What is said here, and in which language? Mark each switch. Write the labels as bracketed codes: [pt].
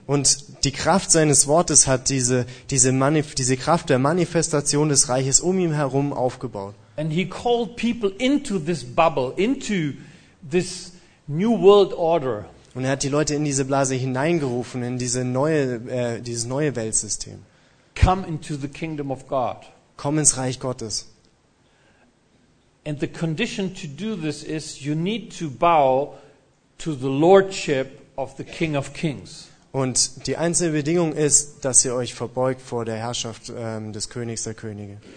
[de] Und die Kraft seines Wortes hat diese Kraft der Manifestation des Reiches um ihn herum aufgebaut. [en] And he called people into this bubble, into this new world order. [de] Und er hat die Leute in diese Blase hineingerufen, in dieses neue Weltsystem. [en] Come into the kingdom of God. [de] Komm ins Reich Gottes. [en] And the condition to do this is you need to bow to the lordship of the King of Kings. [de] Und die einzige Bedingung ist, dass ihr euch verbeugt vor der Herrschaft des Königs der Könige.